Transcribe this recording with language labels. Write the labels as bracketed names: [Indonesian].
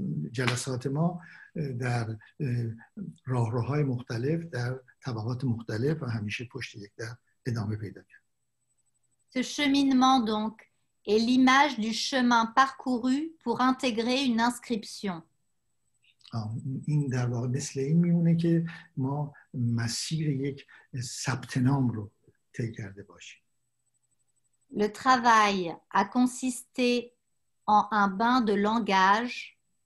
[Persian] جلسات ما در راهروهای مختلف، در طبقات مختلف و همیشه پشت یک در ادامه پیدا کرد. [French] Ce cheminement donc est l'image du chemin parcouru pour intégrer une inscription. [Persian] این در واقع مثل این میمونه که ما مسیر یک ثبت نام رو طی کرده باشیم. [French] Le travail a consisté en un bain de langage.